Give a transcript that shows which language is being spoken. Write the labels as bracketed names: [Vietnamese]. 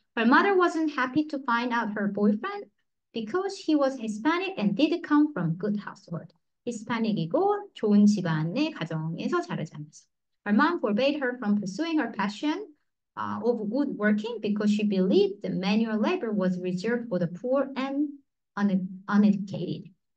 [English] Her mother wasn't happy to find out her boyfriend because he was Hispanic and did come from good household. [Korean] 히스패닉이고 좋은 집안의 가정에서 자라지 않았어. [English] Her mom forbade her from pursuing her passion of woodworking because she believed the manual labor was reserved for the poor and uneducated.